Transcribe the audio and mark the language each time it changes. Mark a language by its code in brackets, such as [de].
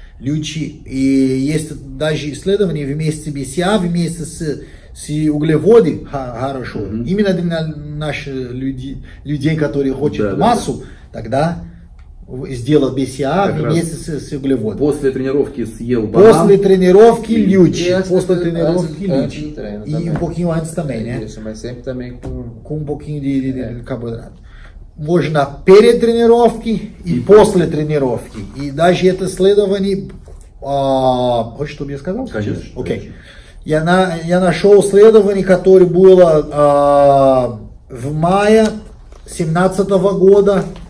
[ru] люди, и есть даже исследования вместе с BCA, вместе с углеводы хорошо. Mm-hmm. Именно для наших людей, которые хотят массу, тогда сделал BCA вместе с углеводом. После тренировки съел банан. После тренировки лючи. После тренировки лючи. И [pt] un pouquinho antes também, né? Mas sempre também com um pouquinho de carboidrato. [ru] Можно перед тренировкой и после тренировки. И даже это исследование... Хочешь, чтобы я сказал? Конечно. Окей. Я нашел исследование, которое было в мае 2017 года.